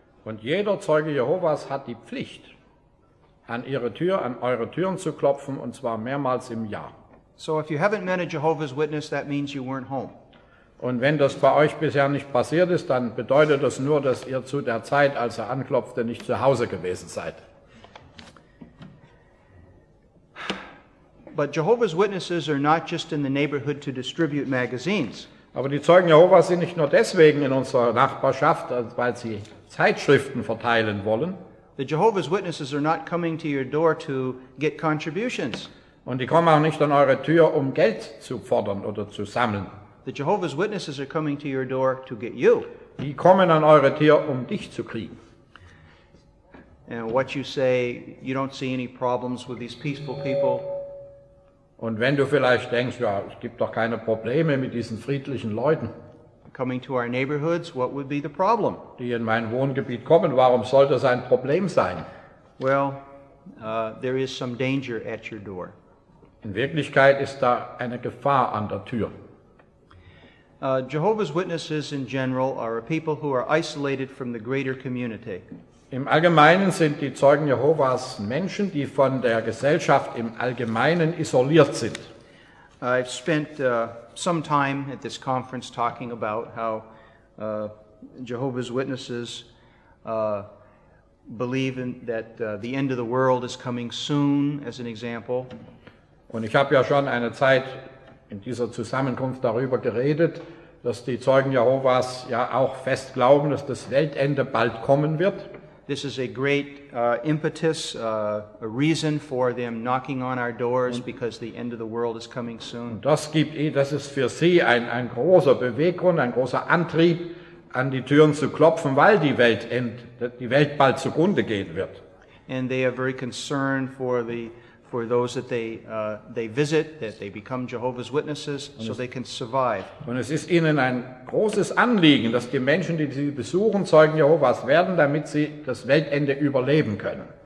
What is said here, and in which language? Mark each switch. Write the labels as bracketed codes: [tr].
[de] Und jeder Zeuge Jehovas hat die Pflicht, an ihre Tür, an eure Türen zu klopfen, und zwar mehrmals im Jahr. [en] So if you haven't met a Jehovah's Witness, that means you weren't home. [de] Und wenn das bei euch bisher nicht passiert ist, dann bedeutet das nur, dass ihr zu der Zeit, als er anklopfte, nicht zu Hause gewesen seid. [en] But Jehovah's Witnesses are not just in the neighborhood to distribute magazines. [de] Aber die Zeugen Jehovas sind nicht nur deswegen in unserer Nachbarschaft, weil sie Zeitschriften verteilen wollen. [en] The Jehovah's Witnesses are not coming to your door to get contributions. [de] Und die kommen auch nicht an eure Tür, um Geld zu fordern oder zu sammeln. [en] The Jehovah's Witnesses are coming to your door to get you. [de] Die kommen an eure Tür, um dich zu kriegen. [en] And what you say, you don't see any problems with these peaceful people. [de] Und wenn du vielleicht denkst, ja, es gibt doch keine Probleme mit diesen friedlichen Leuten. [en] Coming to our neighborhoods, what would be the problem? [de] Die in mein Wohngebiet kommen, warum sollte das ein Problem sein? [en] Well, there is some danger at your door. [de] In Wirklichkeit ist da eine Gefahr an der Tür. [en] Jehovah's Witnesses in general are a people who are isolated from the greater community. [de] Im Allgemeinen sind die Zeugen Jehovas Menschen, die von der Gesellschaft im Allgemeinen isoliert sind. [en] I've spent some time at this conference talking about how Jehovah's Witnesses believe in that the end of the world is coming soon, as an example. [de] Und ich habe ja schon eine Zeit in dieser Zusammenkunft darüber geredet, dass die Zeugen Jehovas ja auch fest glauben, dass das Weltende bald kommen wird. [en] This is a great impetus, a reason for them knocking on our doors, because the end of the world is coming soon. [de] Das ist für sie ein großer Beweggrund, ein großer Antrieb, an die Türen zu klopfen, weil die Welt bald zugrunde gehen wird. [en] And they are very concerned for those that they visit, that they become Jehovah's Witnesses, so they can survive. [de] Und es ist ihnen ein großes Anliegen, dass die Menschen, die sie besuchen, Zeugen Jehovas werden, damit sie das Weltende überleben können.